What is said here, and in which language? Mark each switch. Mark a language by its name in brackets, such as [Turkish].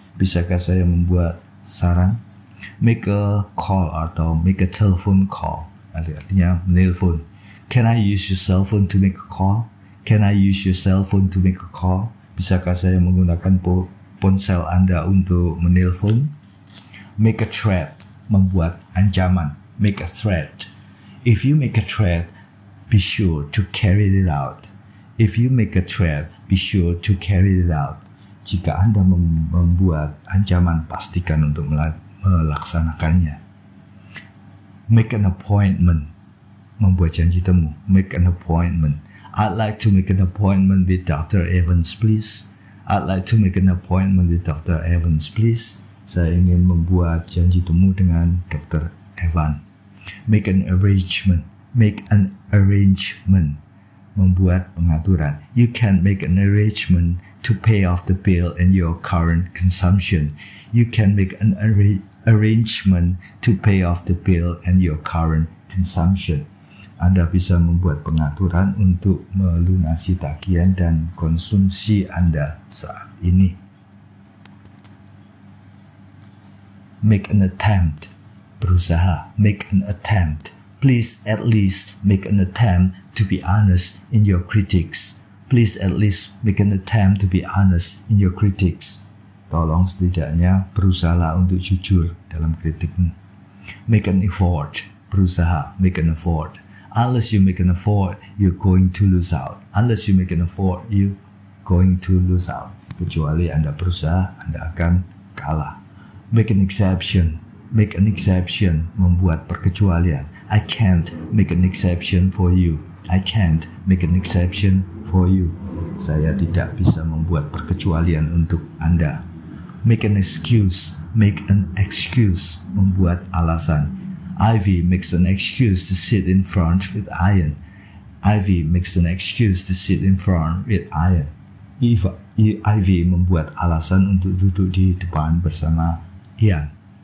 [Indonesian] Bisakah saya membuat saran? [English] Make a call atau make a telephone call. [Indonesian] Artinya menelpon. [English] Can I use your cell phone to make a call? Can I use your cell phone to make a call? [Indonesian] Bisakah saya menggunakan ponsel Anda untuk menelpon? [English] Make a threat. [Indonesian] Membuat ancaman. [English] Make a threat. If you make a threat, be sure to carry it out. If you make a threat, be sure to carry it out. [Indonesian] Jika Anda membuat ancaman, pastikan untuk melaksanakannya. [English] Make an appointment. [Indonesian] Membuat janji temu. [English] Make an appointment. I'd like to make an appointment with Dr. Evans, please. I'd like to make an appointment with Dr. Evans, please. [Indonesian] Saya ingin membuat janji temu dengan Dr. [English] Evan. Make an arrangement. Make an arrangement. [Indonesian] Membuat pengaturan. [English] You can make an arrangement to pay off the bill in your current consumption. You can make an arrangement to pay off the bill in your current consumption. [Indonesian] Anda bisa membuat pengaturan untuk melunasi tagihan dan konsumsi Anda saat ini. [English] Make an attempt. [Indonesian] Berusaha. [English] Make an attempt. Please at least make an attempt to be honest in your critics. Please at least make an attempt to be honest in your critics. [Indonesian] tolong setidaknya berusahalah untuk jujur dalam kritikmu. [English] Make an effort. [Indonesian] Berusaha. [English] Make an effort. Unless you make an effort, you're going to lose out. Unless you make an effort, you're going to lose out. [Indonesian] Kecuali Anda berusaha, Anda akan kalah. [English] Make an exception. Make an exception. [Indonesian] Membuat perkecualian. [English] I can't make an exception for you. I can't make an exception for you. [Indonesian] Saya tidak bisa membuat perkecualian untuk Anda. [English] Make an excuse. Make an excuse. [Indonesian] Membuat alasan. [English] Ivy makes an excuse to sit in front with Ian. Ivy makes an excuse to sit in front with Ian. [Indonesian] Ivy membuat alasan untuk duduk di depan bersama Ian.